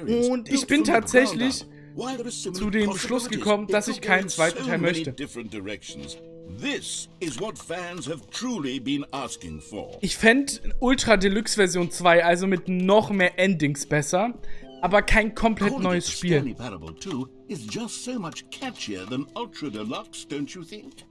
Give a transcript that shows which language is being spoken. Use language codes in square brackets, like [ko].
[de] Und ich bin tatsächlich zu dem Schluss gekommen, dass ich keinen zweiten Teil möchte. [en] This is what fans have truly been asking for. [de] Ich fände Ultra Deluxe Version 2, also mit noch mehr Endings besser, aber kein komplett neues Spiel. [en] Stanley Parable 2 is just so much catchier than Ultra Deluxe, don't you think?